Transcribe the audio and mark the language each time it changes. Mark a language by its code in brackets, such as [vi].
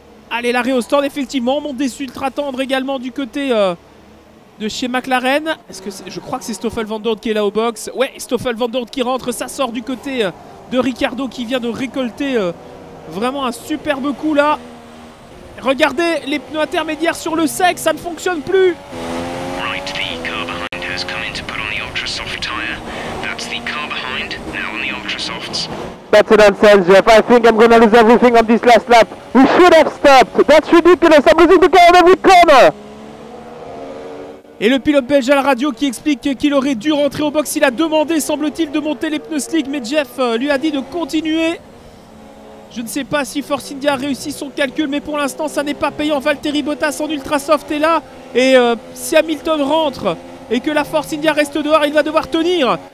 [fr] Allez, l'arrêt au stand, effectivement. On monte des ultra tendres également du côté de chez McLaren. Est-ce que c'est... je crois que c'est Stoffel Vandoorne qui est là au box. Ouais, Stoffel Vandoorne qui rentre. Ça sort du côté de Ricciardo qui vient de récolter vraiment un superbe coup là. Regardez les pneus intermédiaires sur le sec. Ça ne fonctionne plus. [en] Right, the car behind has come in to put on the ultra soft tire. That's the car behind. No. softs. Better than Sanjeev. I think I'm gonna lose everything on this last lap. We should have stopped. That's ridiculous. I'm losing the car on every corner. [fr] Et le pilote belge à la radio qui explique qu'il aurait dû rentrer au box. Il a demandé, semble-t-il, de monter les pneus slick, mais Jeff lui a dit de continuer. Je ne sais pas si Force India a réussi son calcul, mais pour l'instant, ça n'est pas payant. Valtteri Bottas en ultra soft est là. Et si Hamilton rentre et que la Force India reste dehors, il va devoir tenir.